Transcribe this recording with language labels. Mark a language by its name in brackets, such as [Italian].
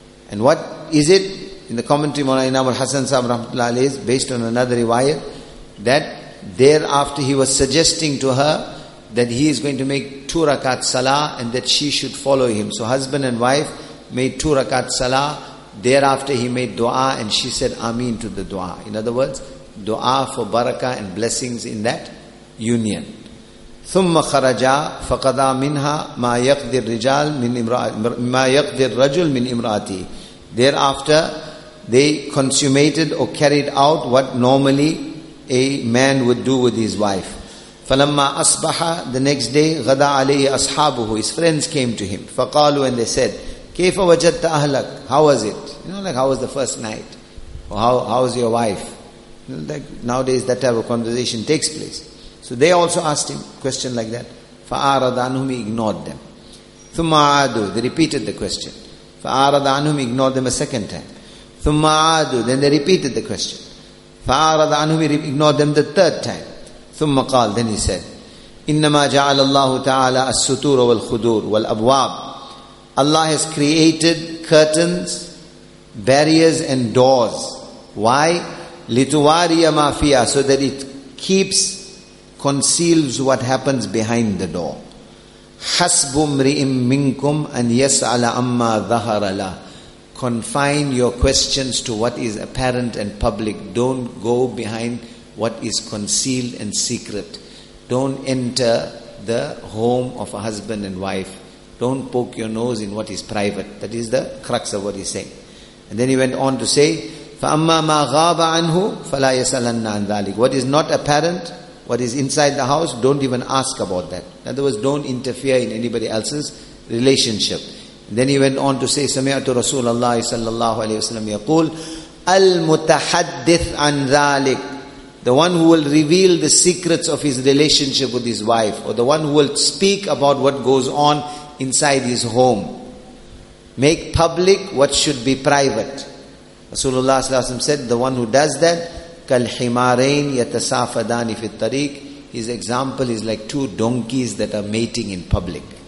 [English] And what is it? In the commentary, Mawlana Imam Hassan Sahib Rahmatullah Alayhi, is based on another riwayat, that thereafter he was suggesting to her that he is going to make 2 rakat salah and that she should follow him. So husband and wife made 2 rakat salah. Thereafter he made dua and she said ameen to the dua. In other words, dua for barakah and blessings in that union. [Arabic] ثم خرجا فقضى منها ما يقضي الرجال من امرأة ما يقضي الرجل من امرأتي. [English] Thereafter they consummated or carried out what normally a man would do with his wife. [Arabic] فلما أصبح, [English] the next day, [Arabic] غدا عليه أصحابه, [English] his friends came to him. [Arabic] فقالوا, [English] and they said, [Arabic] كيف وجدت أهلك, [English] how was it? You know, like, how was the first night? Or how was your wife? You know, like, nowadays that type of conversation takes place. So they also asked him a question like that. [Arabic] فأعرض عنهم, [English] he ignored them. [Arabic] ثم عادوا, [English] they repeated the question. [Arabic] فأعرض عنهم, [English] he ignored them a second time. [Arabic] ثم عادوا, [English] then they repeated the question. [Arabic] فأعرض عنهم, [English] he ignored them the third time. [Arabic] ثم قال, [English] then he said, [Arabic] إنما جعل الله تعالى السطور والخدور والأبواب. [English] Allah has created curtains, barriers and doors. Why? [Arabic] لِتُوَارِيَ مَا فِيَا, [English] so that it keeps, conceals what happens behind the door. [Arabic] حَسْبُ مْرِئِمْ مِنْكُمْ أَنْ يَسْعَلَ أَمَّا ظَهَرَ لَهُ. [English] Confine your questions to what is apparent and public. Don't go behind what is concealed and secret. Don't enter the home of a husband and wife. Don't poke your nose in what is private. That is the crux of what he's saying. And then he went on to say, [Arabic] فَأَمَّا مَا غَابَ عَنْهُ فَلَا يَسَلَنَّ عَنْ ذَلِكَ. [English] What is not apparent, what is inside the house, don't even ask about that. In other words, don't interfere in anybody else's relationship. And then he went on to say, [Arabic] سَمِعْتُ رَسُولَ اللَّهِ صَلَّى اللَّهُ عَلَيْهِ وَسَلَّمْ يَقُولُ الْمُتَحَدِّثْ عَنْ ذَلِكَ. [English] The one who will reveal the secrets of his relationship with his wife, or the one who will speak about what goes on inside his home. Make public what should be private. Rasulullah said, the one who does that, [Arabic] كَالْحِمَارَيْنِ يَتَسَافَدَانِ فِي الطَّرِيقِ. [English] His example is like 2 donkeys that are mating in public.